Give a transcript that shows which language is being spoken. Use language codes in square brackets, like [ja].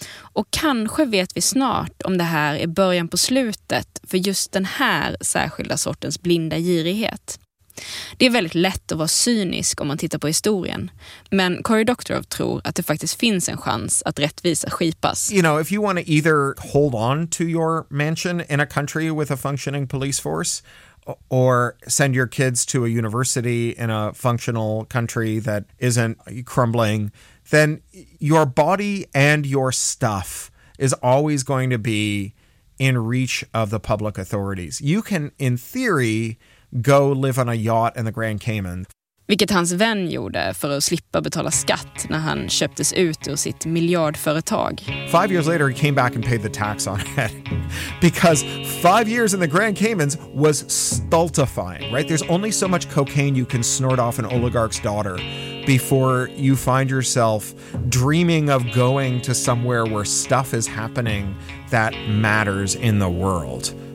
[sv] Och kanske vet vi snart om det här är början på slutet för just den här särskilda sortens blinda girighet. Det är väldigt lätt att vara cynisk om man tittar på historien, men Cory Doctorow tror att det faktiskt finns en chans att rättvisa skipas. [en] You know, if you want to either hold on to your mansion in a country with a functioning police force or send your kids to a university in a functional country that isn't crumbling, then your body and your stuff is always going to be in reach of the public authorities. You can in theory go live on a yacht in the Grand Cayman. [sv] Vilket hans vän gjorde för att slippa betala skatt när han köptes ut ur sitt miljardföretag. [en] 5 years later he came back and paid the tax on it. Because 5 years in the Grand Caymans was stultifying, right? There's only so much cocaine you can snort off an oligarch's daughter before you find yourself dreaming of going to somewhere where stuff is happening that matters in the world.